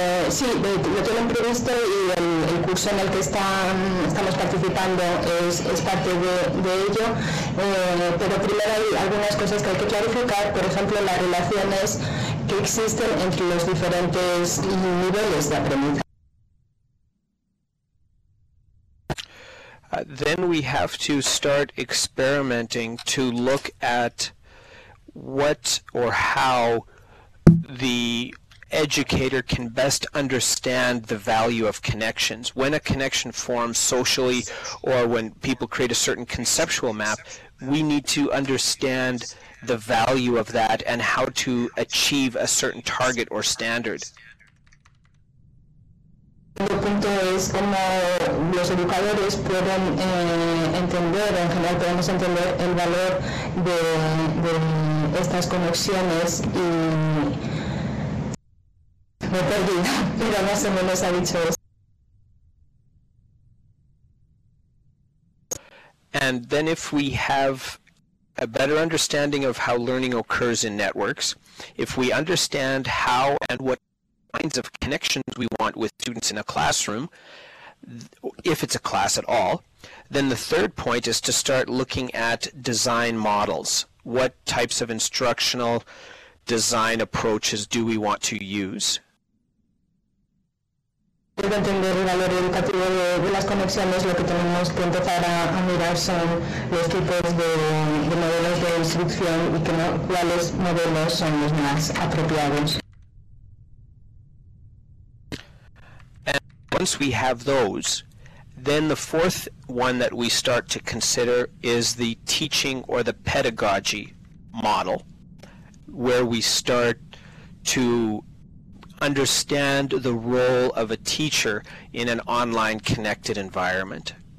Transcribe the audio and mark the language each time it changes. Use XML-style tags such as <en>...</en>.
<es>Sí, lo tienen previsto y el curso en el que estamos participando es parte de ello. Pero primero hay algunas cosas que hay que clarificar, por ejemplo, las relaciones que existen entre los diferentes niveles de aprendizaje.</es> <en>Then we have to start experimenting to look at what or how the educator can best understand the value of connections. When a connection forms socially or when people create a certain conceptual map, we need to understand the value of that and how to achieve a certain target or standard.</en> <es>El punto es cómo los educadores pueden entender, en general podemos entender el valor de estas conexiones y me perdí, pero más o menos ha dicho eso.</es> <en>And then if we have a better understanding of how learning occurs in networks, if we understand how and what kinds of connections we want with students in a classroom, if it's a class at all, then the third point is to start looking at design models. What types of instructional design approaches do we want to use?</en> <es>Para entender el valor educativo de las conexiones, lo que tenemos que empezar a mirar son los tipos de modelos de instrucción y que no, cuáles modelos son los más apropiados.</es> <en>And once we have those, then the fourth one that we start to consider is the teaching or the pedagogy model, where we start to understand the role of a teacher in an online connected environment.</en>